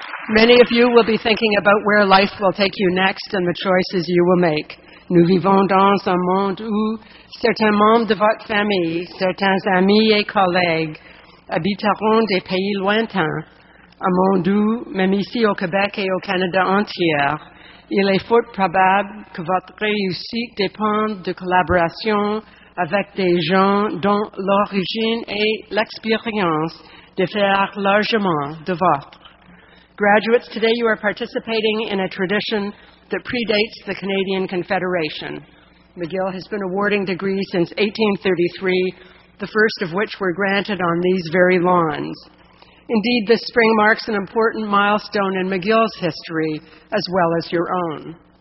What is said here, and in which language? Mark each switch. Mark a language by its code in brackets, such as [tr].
[en] Many of you will be thinking about where life will take you next and the choices you will make. [fr] Nous vivons dans un monde où certains membres de votre famille, certains amis et collègues habiteront des pays lointains. Un monde où, même ici au Québec et au Canada entier, il est fort probable que votre réussite dépende de collaboration avec des gens dont l'origine et l'expérience diffèrent largement de votre. [en] Graduates, today you are participating in a tradition that predates the Canadian Confederation. McGill has been awarding degrees since 1833, the first of which were granted on these very lawns. Indeed, this spring marks an important milestone in McGill's history, as well as your own.